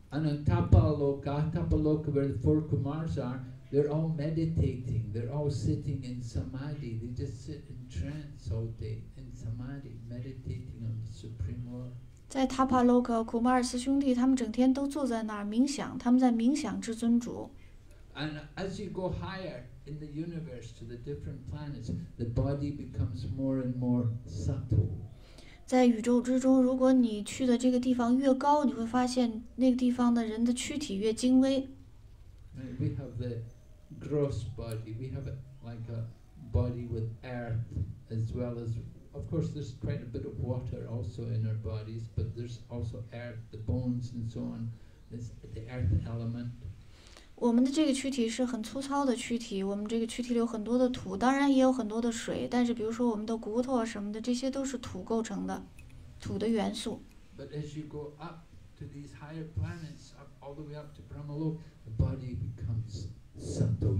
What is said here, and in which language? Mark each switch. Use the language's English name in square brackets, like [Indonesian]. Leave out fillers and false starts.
[English] And on Tapaloka， Tapaloka where the four Kumars are， they're all meditating， they're all sitting in samadhi， they just sit in trance all day in samadhi meditating on the supreme Lord。 [Chinese] 在 Tapaloka， Kumars 兄弟他们整天都坐在那儿冥想，他们在冥想至尊主。 [English] And as you go higher in the universe to the different planets, the body becomes more and more subtle. [Chinese] 在宇宙之中，如果你去的这个地方越高，你会发现那个地方的人的躯体越精微。 [English] We have the gross body. We have like a body with earth as well as, of course, there's quite a bit of water also in our bodies, but there's also earth, the bones and so on. It's the earth element. [Chinese] 我们的这个躯体是很粗糙的躯体，我们这个躯体里有很多的土，当然也有很多的水，但是比如说我们的骨头什么的，这些都是土构成的，土的元素。 [English] But as you go up to these higher planets, up all the way up to Brahmaloka, the body becomes subtle.